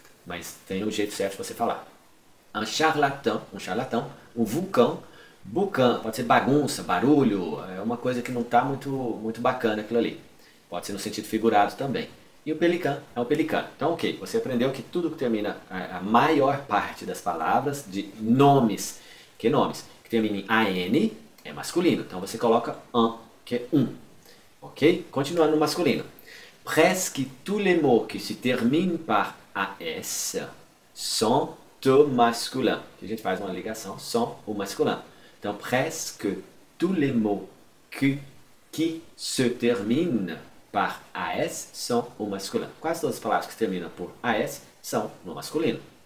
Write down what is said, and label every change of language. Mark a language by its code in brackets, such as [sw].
[pt] Mas tem um jeito certo de você falar. Un charlatan, um charlatão, um vulcão, bucan, pode ser bagunça, barulho, é uma coisa que não está muito bacana aquilo ali. Pode ser no sentido figurado também. E o pelican é o pelicano. Então, ok, você aprendeu que tudo que termina, a maior parte das palavras, de nomes, que nomes? Que termina em AN é masculino. Então você coloca an, que é um. Ok? Continuando no masculino. [fr] Presque tous les mots qui se terminent par AS sont masculin. [pt] Que a gente faz uma ligação som o masculino. Então, [fr] presque tous les mots qui se terminent par AS [pt] são o masculino. Quase todas as palavras que terminam por AS são no masculino.